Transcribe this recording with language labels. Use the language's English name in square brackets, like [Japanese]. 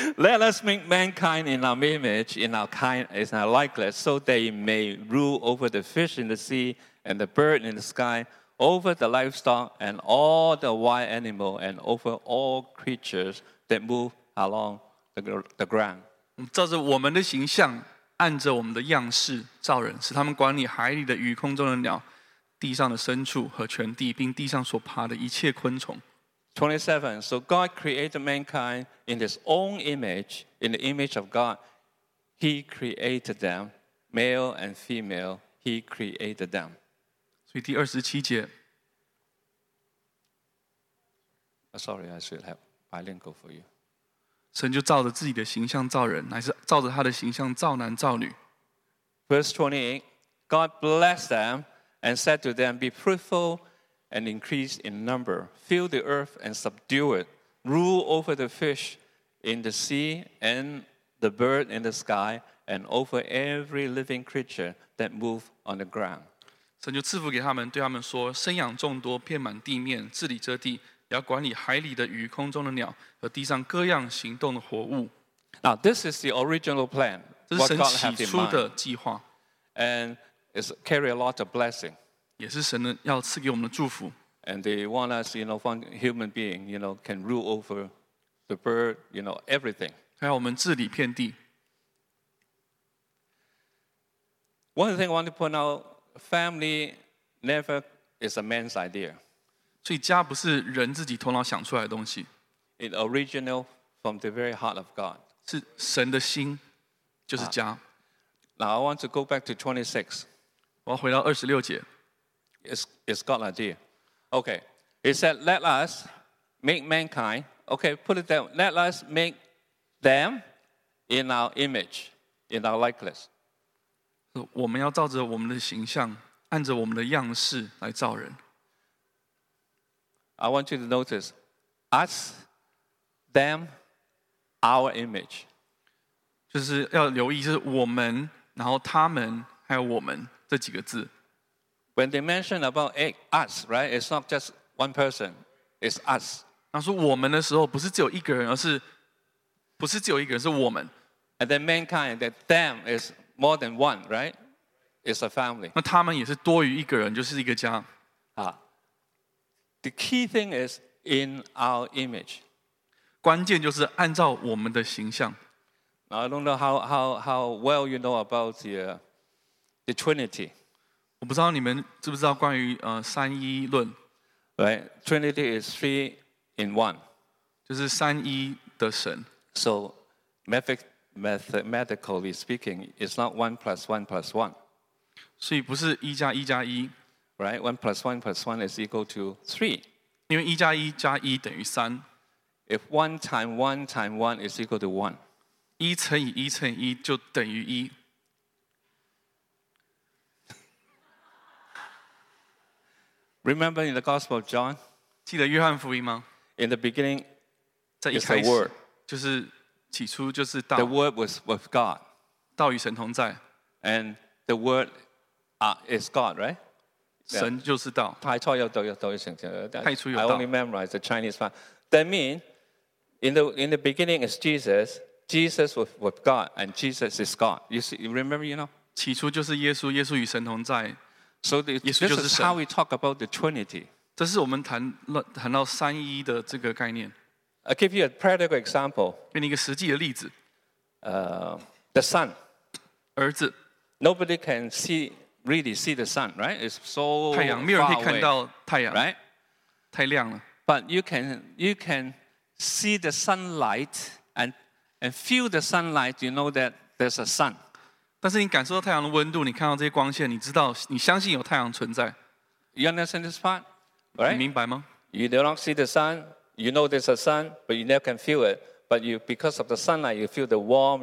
[English] Let us make mankind in our image, in our kind, in our likeness, so they may rule over the fish in the sea and the bird in the sky, over the livestock and all the wild animal, and over all creatures that move along the ground. [Chinese] 照着我们的形象。按着我们的样式造人，使他们管理海里的鱼、空中的鸟、地上的牲畜和全地，并地上所爬的一切昆虫。 [English] 27. So God created mankind in His own image, in the image of God, He created them, male and female, He created them. [Chinese] 所以第27节 [English] ，Sorry, I should have bilingual for you. [Chinese] 神就照着自己的形象造人，乃是照着他的形象造男造女。 [English] Verse 28, God blessed them and said to them, "Be fruitful and increase in number, fill the earth and subdue it, rule over the fish in the sea and the bird in the sky and over every living creature that move on the ground." [Chinese] 神就赐福给他们，对他们说：“生养众多，遍满地面，治理这地。” 要管理海里的鱼、空中的鸟和地上各样行动的活物。 [English] Now this is the original plan. [Chinese] 这是神起初的计划。 [English] And it's carry a lot of blessing. [Chinese] 也是神要赐给我们的祝福。 [English] And they want us, from human being, can rule over the bird, everything. [Chinese] 还要我们治理遍地。 [English] One thing I want to point out: family never is a man's idea. [Chinese] 所以家不是人自己头脑想出来的东西。 [English] It original from the very heart of God. [Chinese] 是神的心，就是家。 [English] Now I want to go back to 26. [Chinese] 我要回到26节。 [English] It's God's idea. Okay. It said, "Let us make mankind." Okay, put it down. Let us make them in our image, in our likeness. [Chinese] 我们要照着我们的形象，按着我们的样式来造人。 [English] I want you to notice us, them, our image. [Chinese] 就是要留意，就是我们，然后他们，还有我们这几个字。 [English] When they mention about us, right? It's not just one person. It's us. [Chinese] 他说我们的时候不是只有一个人，而是不是只有一个人，是我们。 [English] And then mankind, that them is more than one, right? It's a family. [Chinese] 那他们也是多于一个人，就是一个家。 [English] The key thing is in our image. [Chinese] 关键就是按照我们的形象。 [English] Now, I don't know how well you know about the Trinity. [Chinese] 我不知道你们知不知道关于 三一论。 [English] Right, Trinity is three in one. [Chinese] 就是三一的神。 [English] So, mathematically speaking, it's not one plus one plus one. [Chinese] 所以不是一加一加一。 [English] Right, one plus one plus one is equal to three. [Chinese] 因为一加一加一等于三。 [English] If one time one time one is equal to one. [Chinese] 一乘以一乘一就等于一。 [English] Remember in the Gospel of John? [Chinese] 记得约翰福音吗? [English] In the beginning, [Chinese] 在一开始, [English] is the Word. [Chinese] 就是起初就是道, [English] the Word was with God. [Chinese] 道与神同在, [English] and the Word is God, right? [Chinese] 神就是道, yeah. 太初有道, [English] I only memorized the Chinese part. That means, in the beginning is Jesus. Jesus was with God, and Jesus is God. You see, remember, you know? [Chinese] 起初就是耶稣, 耶稣与神同在, [English] So this is how we talk about the Trinity. [Chinese] 这是我们谈到三一的这个概念。 [English] I'll give you a practical example. [Chinese] 给你一个实际的例子。 [English] The sun. [Chinese] 儿子。 [English] Nobody can really see the sun, right? It's so far away. [Chinese] 太阳，没有人可以看到太阳。 [English] Right? [Chinese] 太亮了。 [English] But you can see the sunlight and feel the sunlight, you know that there's a sun. [Chinese] 但是你感受到太阳的温度，你看到这些光线，你知道，你相信有太阳存在。 [English] You understand this part? Right? [Chinese] 你明白吗？ [English] You do not see the sun. You know there's a sun, but you never can feel it. But you, because of the sunlight, you feel the warm.